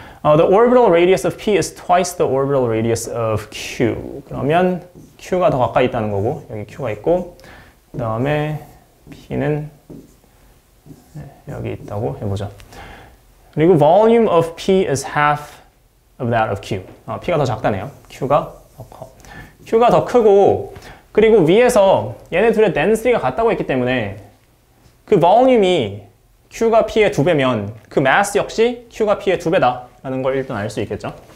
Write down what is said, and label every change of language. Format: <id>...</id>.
<en>The orbital radius of P is twice the orbital radius of Q.</en> <ko>그러면 Q가 더 가까이 있다는 거고 여기 Q가 있고 그 다음에 P는 여기 있다고 해보죠. 그리고</ko> <en>volume of P is half of that of Q.</en> <ko>P가 더 작다네요. Q가 더 커. Q가 더 크고 그리고 위에서 얘네 둘의 density가 같다고 했기 때문에 그 volume이 Q가 P의 두 배면 그 mass 역시 Q가 P의 두 배다 라는 걸 일단 알 수 있겠죠.</ko>